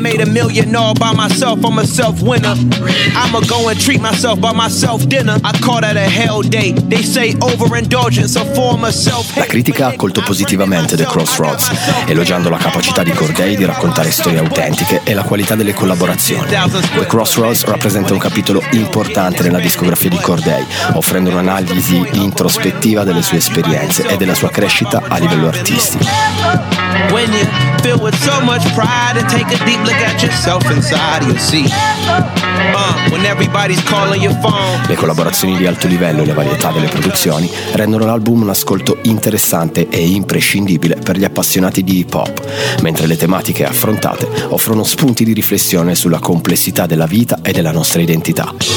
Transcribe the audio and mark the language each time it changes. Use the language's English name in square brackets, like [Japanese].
[Italian] La critica ha accolto positivamente The Crossroads, elogiando la capacità di Cordae di raccontare storie autentiche e la qualità delle collaborazioni. The Crossroads rappresenta un capitolo importante nella discografia di Cordae, offrendo un'analisi introspettiva delle sue esperienze e della sua crescita a livello artistico. [English] When you feel with so much pride and take a deep look at yourself inside, you'll see. When everybody's calling your phone. [Italian] Le collaborazioni di alto livello e la varietà delle produzioni rendono l'album un ascolto interessante e imprescindibile per gli appassionati di hip hop, mentre le tematiche affrontate offrono spunti di riflessione sulla complessità della vita e della nostra identità.